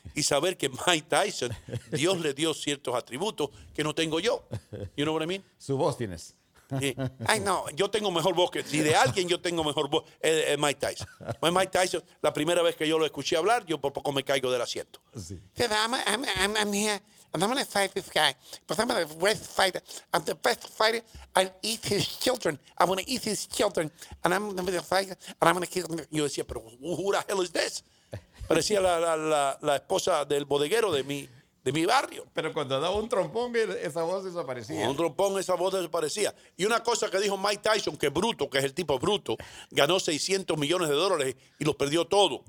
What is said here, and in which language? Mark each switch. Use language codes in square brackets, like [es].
[es] Y saber que Mike Tyson, Dios le dio ciertos atributos que no tengo yo. [en] You know what I mean? [es] Su voz tienes. Ay, no, yo tengo mejor voz que... Si de alguien yo tengo mejor voz, es Mike Tyson. Pues Mike Tyson, la primera vez que yo lo escuché hablar, yo por poco me caigo del asiento. Sí. [en] I'm here, and I'm going to fight this guy. But I'm the best fighter. I'm the best fighter. I'll eat his children. I'm going to eat his children. And I'm going to fight, and I'm going to kill him. [es] Yo decía, pero [en] who the hell is this? [es] Parecía la esposa del bodeguero de mi barrio. Pero cuando daba un trompón, esa voz desaparecía. Un trompón, esa voz desaparecía. Y una cosa que dijo Mike Tyson, que es bruto, que es el tipo bruto, ganó 600 millones de dólares y los perdió todo.